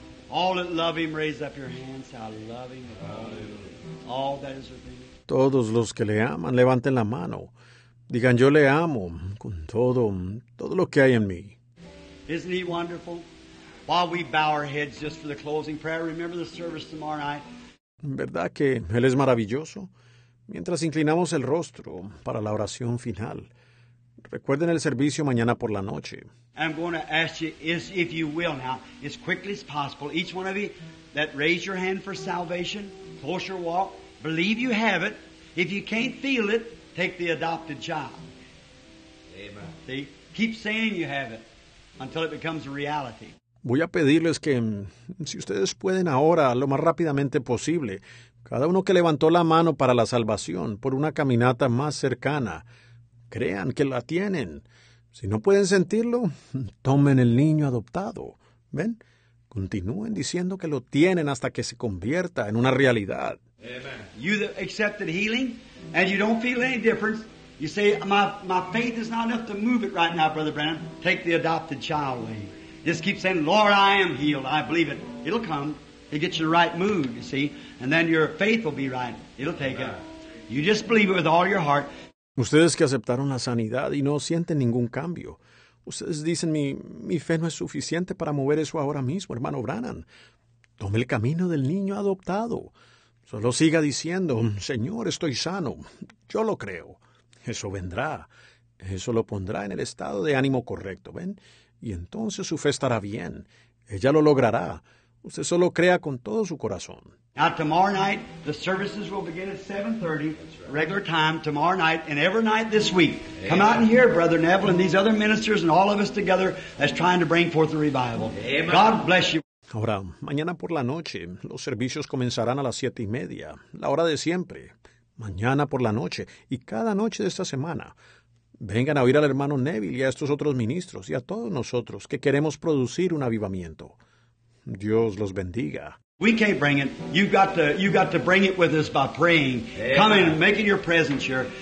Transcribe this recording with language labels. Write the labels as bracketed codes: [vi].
[en] All that love Him, raise up your hands. I love Him. All that is within me. [es] Todos los que le aman, levanten la mano. Digan, yo le amo con todo, todo lo que hay en mí. [en] Isn't He wonderful? While we bow our heads just for the closing prayer, remember the service tomorrow night. [es] ¿Verdad que Él es maravilloso? Mientras inclinamos el rostro para la oración final, recuerden el servicio mañana por la noche. [en] I'm going to ask you, if you will now, as quickly as possible, each one of you that raise your hand for salvation, close your walk, believe you have it. If you can't feel it, take the adopted child. Amen. See? Keep saying you have it until it becomes a reality. [es] Voy a pedirles que, si ustedes pueden ahora, lo más rápidamente posible, cada uno que levantó la mano para la salvación por una caminata más cercana, crean que la tienen. Si no pueden sentirlo, tomen el niño adoptado. ¿Ven? Continúen diciendo que lo tienen hasta que se convierta en una realidad. [en] Amen. You that accepted healing and you don't feel any difference, you say, my faith is not enough to move it right now, Brother Branham, take the adopted child away. Just keep saying, Lord, I am healed. I believe it. It'll come. It gets you in the right mood, you see. And then your faith will be right. It'll take it. You just believe it with all your heart. [es] Ustedes que aceptaron la sanidad y no sienten ningún cambio. Ustedes dicen, mi fe no es suficiente para mover eso ahora mismo, hermano Branham. Tome el camino del niño adoptado. Solo siga diciendo, Señor, estoy sano. Yo lo creo. Eso vendrá. Eso lo pondrá en el estado de ánimo correcto, ¿ven? Y entonces su fe estará bien. Ella lo logrará. Usted solo crea con todo su corazón. [en] Now, tomorrow night, the services will begin at 7:30, regular time, tomorrow night, and every night this week. Amen. Come out and hear, Brother Neville, and these other ministers, and all of us together, that's trying to bring forth the revival. Amen. God bless you. [es] Ahora, mañana por la noche, los servicios comenzarán a las 7:30, la hora de siempre. Mañana por la noche, y cada noche de esta semana, vengan a oír al hermano Neville y a estos otros ministros, y a todos nosotros, que queremos producir un avivamiento. Dios los bendiga. [en] We can't bring it. You've got to bring it with us by praying. Amen. Coming and making your presence here.